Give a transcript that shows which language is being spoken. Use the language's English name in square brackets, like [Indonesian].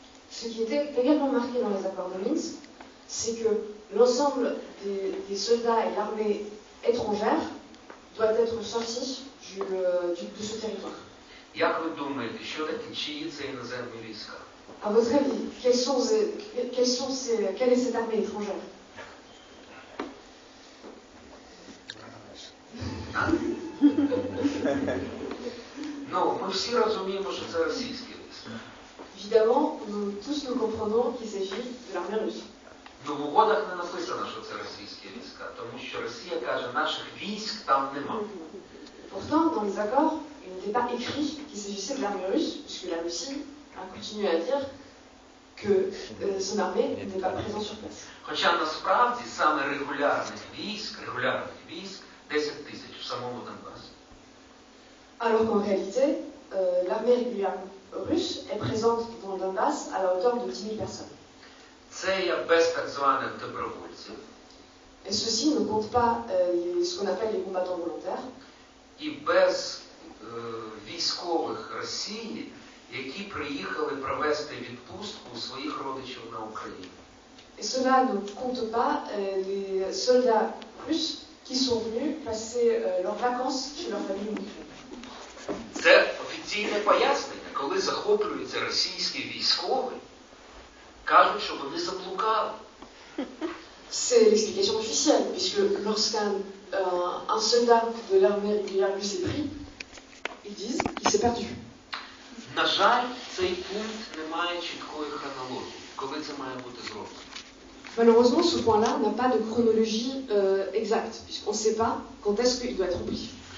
[French] Ce qui était également marqué dans les accords de Minsk, c'est que l'ensemble des soldats et l'armée étrangère doit être sorti de ce territoire. [Ukrainian] Як ви думаєте, що такі, чиї це іноземні війська? [French] À votre avis, quelle est cette armée étrangère? [Ukrainian] Ну, ми всі розуміємо, що це російські війська. [French] Évidemment, nous tous nous comprenons qu'il s'agit de l'armée russe. [Ukrainian] Ну, в угодах не написано, що це російські війська, тому що Росія каже, наших військ там немає. [French] Pourtant, dans les accords, il n'était pas écrit qu'il s'agissait de l'armée russe, puisque la Russie a continué à dire que son armée n'est pas présente sur place. [Ukrainian] Хоча насправді саме регулярних військ 10 000 у самому Донбасі. [French] Alors qu'en réalité, l'armée régulière russe est présente dans le Donbass à la hauteur de 10 000 personnes. [Ukrainian] Це є без так званих добровольців. [French] Et ceci ne compte pas ce qu'on appelle les combattants volontaires. [Ukrainian] І без військових Росії, які приїхали провести відпустку у своїх родичів на Україні. [French] Et cela ne compte pas les soldats russes qui sont venus passer leurs vacances chez leur famille en Ukraine. [Ukrainian] Це офіційне пояснення, коли захоплюються російські військові, кажуть, що вони заблукали. [French] C'est l'explication officielle, puisque lorsqu'un un soldat de l'armée régulière russe est pris, ils disent qu'il s'est perdu. [Ukrainian] На жаль, цей пункт не має чіткої хронології. Коли це має бути зроблено? [French] Malheureusement, ce point-là n'a pas de chronologie exacte, puisqu'on ne sait pas quand est-ce qu'il doit être pris.